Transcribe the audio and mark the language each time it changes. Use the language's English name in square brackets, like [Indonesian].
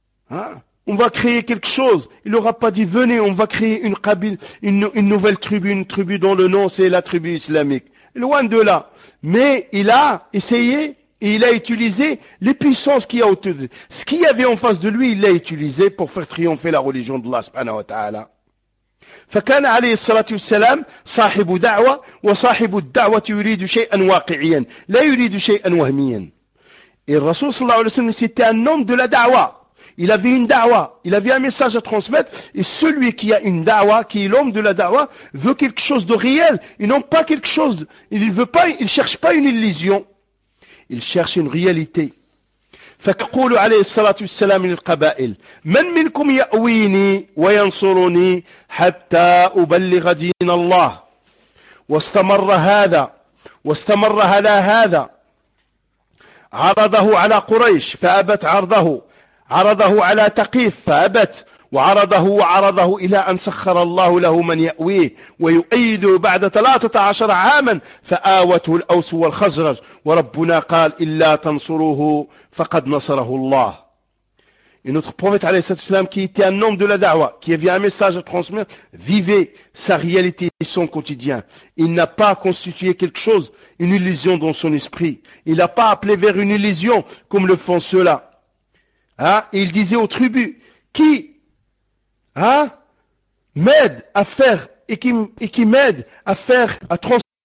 [French] On va créer quelque chose. Il n'aura pas dit, venez, on va créer une kabyle, une nouvelle tribu, une tribu dont le nom c'est la tribu islamique. Loin de là. Mais il a essayé et il a utilisé les puissances qu'il y a autour de lui. Ce qu'il y avait en face de lui, il l'a utilisé pour faire triompher la religion de Allah [Arabic] subhanahu wa ta'ala. فكان عليه الصلاة والسلام صاحب دعوة وصاحب الدعوة يريد شيئا واقعيا لا يريد شيئا وهميا. الرسول صلى الله عليه وسلم [French] c'était un homme de la da'wa. Il avait une da'wa. Il avait un message à transmettre. Et celui qui a une da'wa, qui est l'homme de la da'wa, veut quelque chose de réel. Et non pas quelque chose. Il veut pas. Il cherche pas une illusion. Il cherche une réalité. [Arabic] فقولوا عليه الصلاة والسلام للقبائل من منكم يأويني وينصرني حتى أبلغ دين الله واستمر هذا واستمر على هذا عرضه على قريش فأبت عرضه عرضه على تقيف فأبت وعرضه وعرضه إلى أن سخر الله له من يأويه ويؤيده بعد 13 عاما فآوته الأوس والخزرج وربنا قال إلا تنصروه فقد نصره الله. [French] Et notre prophète [Arabic] عليه الصلاة والسلام [French] qui était un homme de la da'wa, qui avait un message à transmettre, vivait sa réalité et son quotidien. Il n'a pas constitué quelque chose, une illusion dans son esprit. Il n'a pas appelé vers une illusion comme le font ceux-là. Et il disait aux tribus, qui m'aide à faire et qui m'aide à faire, à transmettre